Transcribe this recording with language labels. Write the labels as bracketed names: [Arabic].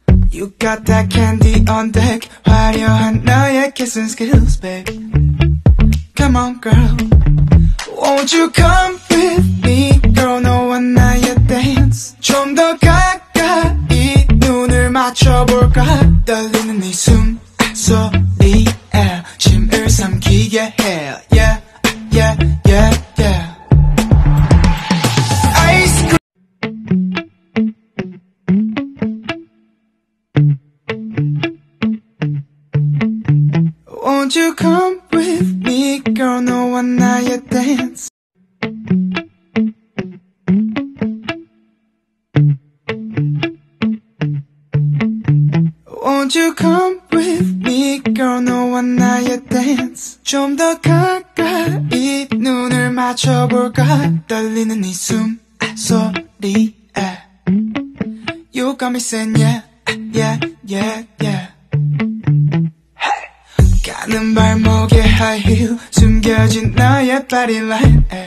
[English] You got that candy on deck, [Korean] 화려한 너의 [English] kissing skills, babe. Come on, girl. Won't you come with me, girl? No one now you dance. [Korean] 좀 더 가까이 눈을 맞춰볼까? 떨리는 이 숨소리에 침을 삼키게 해. [English] Yeah. Yeah, yeah, yeah. Ice cream. Won't you come with me, girl? No one now you dance. Won't you come with me, girl? No one now you dance. [Korean] 좀 더 가까이 눈을 맞춰볼까? 떨리는 이 숨소리에. [English] You got me saying yeah, yeah, yeah, yeah. Hey! [Korean] 가는 발목에 high heel, 숨겨진 너의 body line.